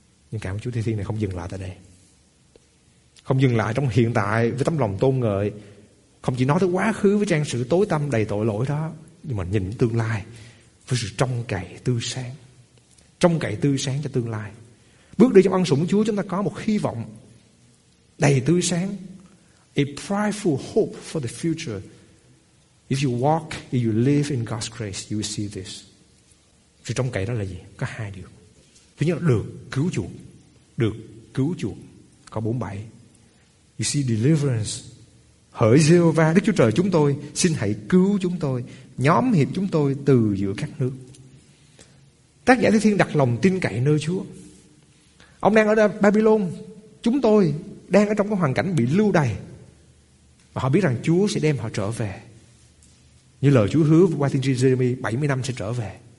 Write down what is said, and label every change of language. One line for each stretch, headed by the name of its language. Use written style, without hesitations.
Vietnamese: Nhưng cảm ơn Chúa, thi thiên này không dừng lại tại đây, không dừng lại trong hiện tại với tấm lòng tôn ngợi, không chỉ nói tới quá khứ với trang sử tối tăm đầy tội lỗi đó, nhưng mà nhìn tương lai với sự trông cậy tươi sáng, trông cậy tươi sáng cho tương lai. Bước đi trong ân sủng Chúa, chúng ta có một hy vọng đầy tươi sáng,
English: a prideful hope for the future. If you walk, if you live in God's grace, you will see this.
Vietnamese: Sự trông cậy đó là gì? Có hai điều. Thứ nhất là được cứu chuộc, được cứu chuộc, có 47.
English: You see deliverance.
Vietnamese: Hỡi Giê-hô-va, Đức Chúa Trời chúng tôi, xin hãy cứu chúng tôi, nhóm hiệp chúng tôi từ giữa các nước. Tác giả Thi Thiên đặt lòng tin cậy nơi Chúa. Ông đang ở Babylon, chúng tôi đang ở trong cái hoàn cảnh bị lưu đày, và họ biết rằng Chúa sẽ đem họ trở về, như lời Chúa hứa qua tiên tri Giê-rê-mi, 70 năm sẽ trở về.